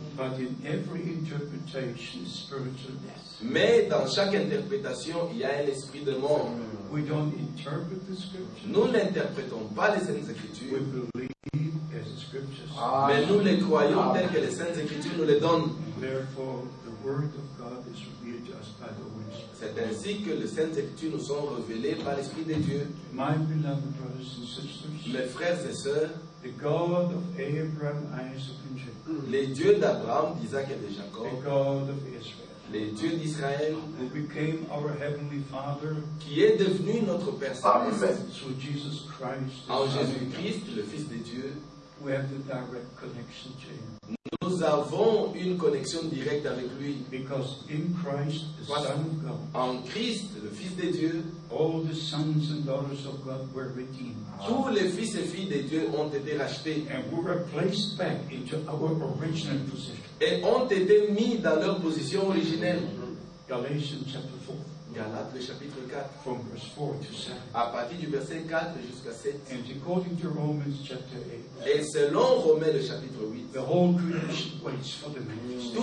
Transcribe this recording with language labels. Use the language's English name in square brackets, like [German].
[English] But in every interpretation, spiritual death. [French] Mais dans chaque interprétation, il y a un esprit de mort. [English] We don't interpret the scriptures. [French] Nous n'interprétons pas les Saintes Écritures. [English] We believe as the scriptures. [French] Mais nous les croyons tels que les Saintes Écritures nous les donnent. [English] Therefore, the word of God is revealed to us by the Holy Spirit. [French] C'est ainsi que les Saintes Écritures nous sont révélées par l'Esprit de Dieu. [English] My beloved brothers and sisters, [French] mes frères et sœurs, [English] the God of Abraham, Isaac, and Jacob. [French] Les dieux d'Abraham, d'Isaac et de Jacob. [English] The God of Israel. [French] Les dieux d'Israël. [English] Who became our heavenly Father. [French] Qui est devenu notre Père Céleste. [English] Through Jesus Christ. [French] En Jésus-Christ, le Fils de Dieu. [English] We have the direct connection to Him. [French] Nous avons une connexion directe avec lui. [English] Because in Christ, the Son of God. [French] En Christ, le Fils de Dieu. [English] All the sons and daughters of God were redeemed. [French] Tous les fils et filles de Dieu ont été rachetés. [English] And we were placed back into our original position. [French] Et ont été mis dans leur position originelle. [English] Galatians chapter 4. [French] Galates chapitre 4. [English] From verse 4 to 7. [French] À partir du verset 4 jusqu'à 7. [English] And according to Romans chapter 8. [French] Et selon Romains le chapitre 8. [English] The whole creation waits for the manifestation.